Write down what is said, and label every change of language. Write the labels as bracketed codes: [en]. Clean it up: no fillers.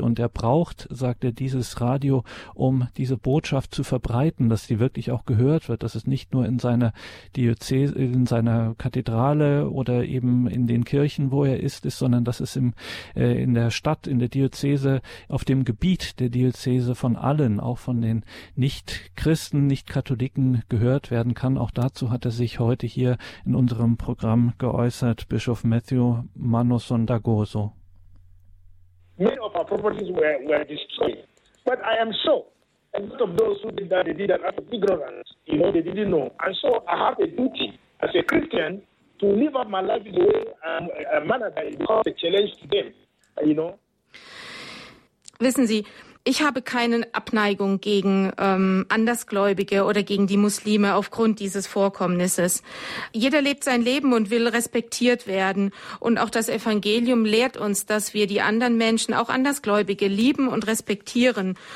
[de] Und er braucht, sagt er, dieses Radio, um diese Botschaft zu verbreiten, dass sie wirklich auch gehört wird, dass es nicht nur in seiner Diözese, in seiner Kathedrale oder eben in den Kirchen, wo er ist, sondern dass es in der Stadt, in der Diözese, auf dem Gebiet der Diözese von allen, auch von den Nicht-Christen, Nicht-Katholiken gehört werden kann. Auch dazu hat er sich heute hier in unserem Programm geäußert, Bischof Matthew Manosondagoso. [en] Many of our properties were destroyed, but I am sure. A lot of those who did that, they did that out of ignorance. You know, they didn't know. And so I have a duty as a Christian to live out my life in the way and a manner that becomes a challenge to them, you know. [de] Wissen Sie, ich habe keine Abneigung gegen Andersgläubige oder gegen die Muslime aufgrund dieses Vorkommnisses. Jeder lebt sein Leben und will respektiert werden. Und auch das Evangelium lehrt uns, dass wir die anderen Menschen, auch Andersgläubige, lieben und respektieren.